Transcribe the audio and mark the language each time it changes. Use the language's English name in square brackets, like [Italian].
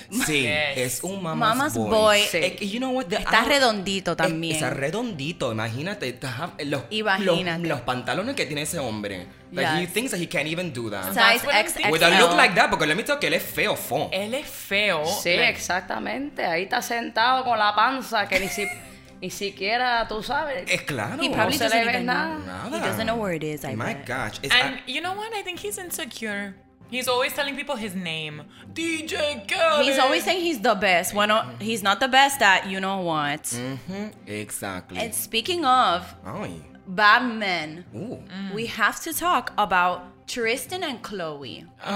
[Spanish] Sí, yes. Es un mama's [English] boy. Mama's boy. Sí. You know what? [Spanish] Está redondito también. Está redondito. Imagínate. Los pantalones que tiene ese hombre. [English] Like, yes. He thinks that he can't even do that. Size XXL. With a look like that, because let me tell you, [Spanish] él es feo, fo. Él es feo. Sí, like, exactamente. Ahí está sentado con la panza que ni si... Ni siquiera, tú sabes. Es claro. [English] He probably doesn't even know. He doesn't know where it is, I bet. My gosh. You know what? I think he's insecure. He's always telling people his name. DJ Khaled. He's always saying he's the best. When he's not the best at you know what. Mm-hmm. Exactly. And speaking of bad men, we have to talk about Tristan and Khloe.